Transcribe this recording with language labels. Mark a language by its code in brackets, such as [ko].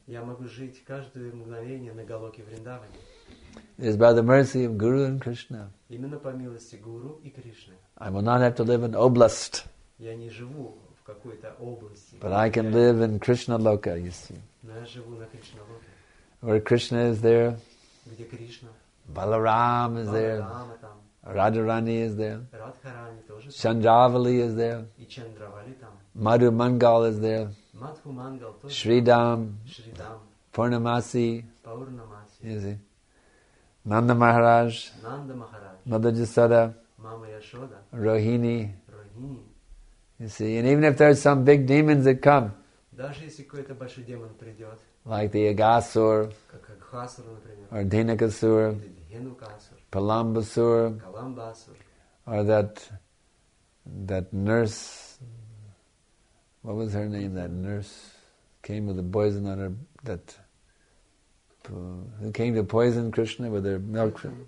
[ru] Я могу жить каждое мгновение на Голоке Вриндаване. [en] It's by the mercy of Guru and Krishna. [ru] Именно по милости Гуру и Кришны. [en] I will not have to live in oblast. [ru] Я не живу в какой-то области. [en] But I can live in Krishna Loka, you see. [ru] Но я живу на Кришна Локе. [en] Where Krishna is there. [ru] Где Кришна? [en] Баларам is there. Радхарани is there. [ru] Радхарани тоже. [en] Чандравали is there. [ru] И Чандравали там. [en] Мадху Мангал is there. [ru] Мадху Мангал тоже. Шридам. Шридам. Пурнамаси. Пурнамаси. [en] Is it? Нанда Махарадж. [ru] Нанда Махарадж. Мадха Джасада. Мама Яшода. Рохини. Рохини. [en] You see, and even if there's some big demons that come. [ru] Даже если какой-то большой демон придет. [en] Like the Агасур. Or Dhenukasur, Palambasur, or that nurse, what was her name? That nurse came with the poison on her, that who came to poison Krishna with her milk?